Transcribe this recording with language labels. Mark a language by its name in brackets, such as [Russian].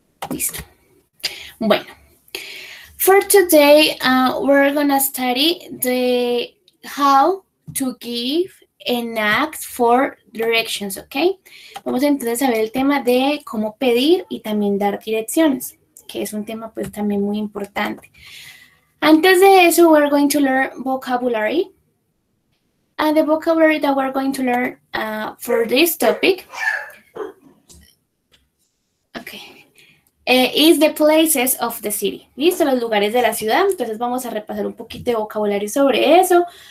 [Spanish] Listo. Bueno, [English] for today, we're gonna study the how to give and ask for directions, ¿ok? [Spanish] Vamos entonces a ver el tema de cómo pedir y también dar direcciones, que es un tema pues también muy importante. Antes de eso, [English] we're going to learn vocabulary. And the vocabulary that we're going to learn for this topic, is the places of the city. [Spanish] ¿Listo? Los lugares de la ciudad. Entonces vamos a repasar un poquito de vocabulario sobre eso.